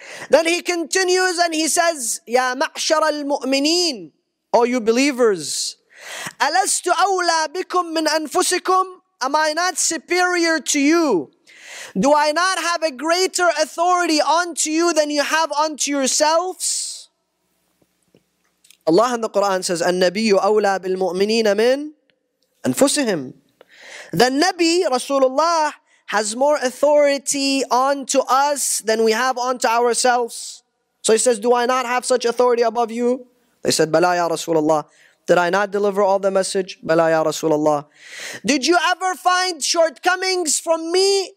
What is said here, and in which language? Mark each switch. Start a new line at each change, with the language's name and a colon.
English: Then he continues and he says, Ya ma'shar al-mu'mineen, O you believers,
Arabic: Alastu awla bikum min anfusikum,
English: am I not superior to you? Do I not have a greater authority onto you than you have onto yourselves? Allah in the Quran says,
Arabic: النبي أولى بالمؤمنين من أنفسهم.
English: The Nabi, Rasulullah, has more authority onto us than we have onto ourselves. So he says, do I not have such authority above you? They said,
Arabic: بلى يا رسول الله.
English: Did I not deliver all the message?
Arabic: بلى يا رسول الله.
English: Did you ever find shortcomings from me?